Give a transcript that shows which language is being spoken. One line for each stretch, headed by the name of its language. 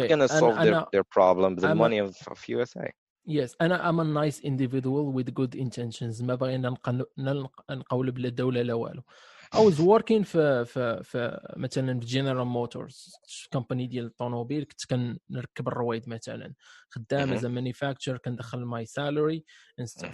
English: not going to solve their problem with the money of USA. Yes,
Arabic: انا
English: I'm a nice individual with good intentions.
Arabic: ما بغينا نقول بلا دوله لا والو.
English: I was working
Arabic: في مثلا في General Motors company ديال الطوموبيل كنت كنركب الروايد مثلا خدام mm-hmm.
English: as a manufacturer كندخل my salary and stuff.